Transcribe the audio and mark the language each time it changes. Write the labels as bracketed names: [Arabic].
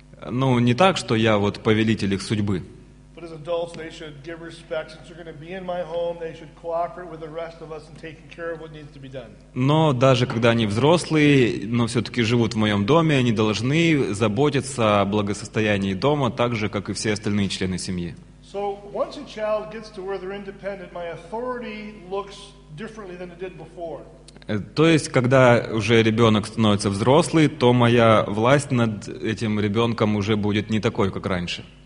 [Russian] Ну, не так, что я вот повелитель их судьбы. [English] But as adults, they should give respect. Since you're going to be in my home, they should cooperate with the rest of us in taking care of what needs to be done. [Russian] Но даже когда они взрослые, но все-таки живут в моем доме, они должны заботиться о благосостоянии дома так же, как и все остальные члены семьи. [English] So once a child gets to where they're independent, my authority looks differently than it did before. [Russian] То есть, когда уже ребенок становится взрослый, то моя власть над этим ребенком уже будет не такой, как раньше.